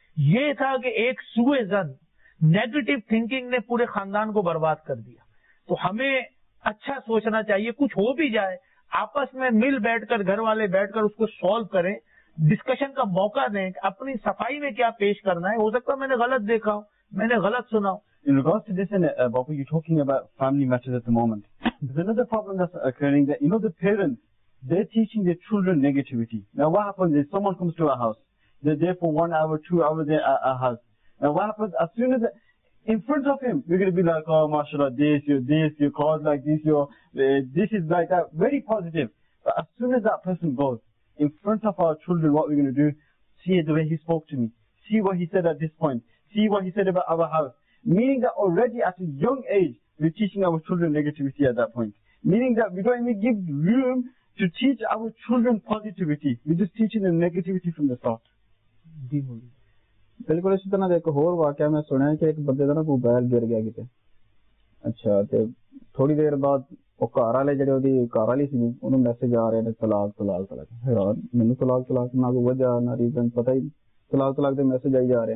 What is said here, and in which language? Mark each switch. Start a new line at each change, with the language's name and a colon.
Hindi: ये था कि एक सुए जन नेगेटिव थिंकिंग ने पूरे खानदान को बर्बाद कर दिया। तो हमें अच्छा सोचना चाहिए, कुछ हो भी जाए आपस में मिल बैठकर, घर वाले बैठकर उसको सॉल्व करें, डिस्कशन का मौका दें, अपनी सफाई में क्या पेश करना है। हो सकता है मैंने गलत देखा हो, मैंने गलत सुना हो।
English: In regards to this, and Bapu, you're talking about family matters at the moment. There's another problem that's occurring, that, you know, the parents, they're teaching their children negativity. Now, what happens is someone comes to a house. They're there for 1 hour, 2 hours at a house. Now, what happens as soon as, in front of him, you're going to be like, oh, mashallah, this, your car's like this, your, this is like that, very positive. But as soon as that person goes, in front of our children, what we're going to do, see the way he spoke to me. See what he said at this point. See what he said about our house. Meaning that already at a young age, we're teaching our children negativity at that point. Meaning that we don't even give room to teach our children positivity. We're just teaching them negativity from the start.
Punjabi: ਬਿਲਕੁਲ ਇਸੇ ਤਰ੍ਹਾਂ ਦਾ ਇੱਕ ਹੋਰ ਵਾਕਿਆ ਮੈਂ ਸੁਣਿਆ ਕਿ ਇੱਕ ਬੰਦੇ ਦਾ ਨਾ ਮੋਬਾਇਲ ਗਿਰ ਗਿਆ ਕਿਤੇ। ਅੱਛਾ, ਤੇ ਥੋੜੀ ਦੇਰ ਬਾਅਦ ਉਹ ਘਰ ਵਾਲੇ ਜਿਹੜੇ ਉਹਦੀ ਘਰ ਵਾਲੀ ਸੀ ਉਹਨੂੰ ਮੈਸੇਜ ਆ ਰਹੇ ਨੇ ਤਲਾਕ ਤਲਾਕ ਤਲਾਕ। ਹੈਰਾਨ, ਮੈਨੂੰ ਤਲਾਕ ਤਲਾਕ ਨਾ ਕੋਈ ਵਜ੍ਹਾ ਨਾ ਰੀਜ਼ਨ ਪਤਾ ਹੀ, ਤਲਾਕ ਤਲਾਕ ਦੇ ਮੈਸੇਜ ਆਈ ਜਾ ਰਹੇ।